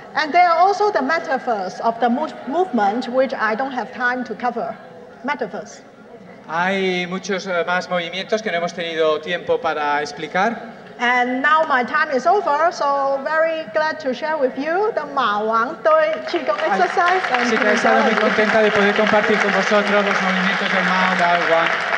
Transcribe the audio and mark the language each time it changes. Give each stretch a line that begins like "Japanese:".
English: And there are also the metaphors of the movement, which I don't have time to cover. Metaphors.
Spanish: Hay muchos más movimientos que no hemos tenido tiempo para explicar.
English: And now my time is over, so very glad to share with you the Ma Wang Dui Qigong exercise.
Spanish: Sí, he estado muy contenta de poder compartir con vosotros los movimientos del Ma Wang.